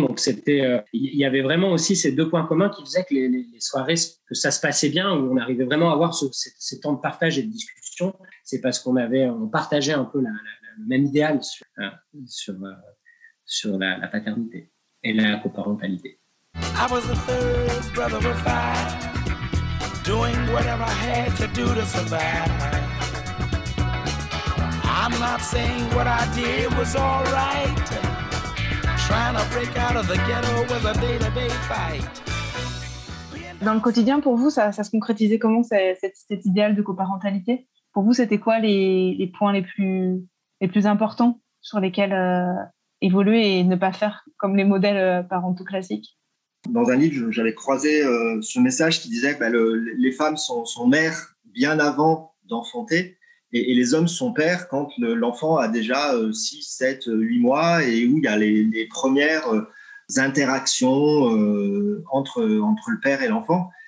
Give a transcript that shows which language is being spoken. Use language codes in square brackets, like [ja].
[fr] Donc, il y avait vraiment aussi ces deux points communs qui faisaient que les soirées, que ça se passait bien, où on arrivait vraiment à avoir ces temps de partage et de discussion. C'est parce qu'on partageait un peu le même idéal sur la paternité et la coparentalité. [en] I was the third brother of five, doing whatever I had to do to survive. I'm not saying what I did was all right. Trying to break out of the ghetto was a day-to-day fight. [fr] Dans le quotidien, pour vous, ça se concrétisait comment, cet idéal de coparentalité? Pour vous, c'était quoi les points les plus importants sur lesquels évoluer et ne pas faire comme les modèles parentaux classiques? Dans un livre, j'avais croisé ce message qui disait que les femmes sont mères bien avant d'enfanter et les hommes sont pères quand l'enfant a déjà 6, 7, 8 mois et où il y a les premières interactions entre le père et l'enfant.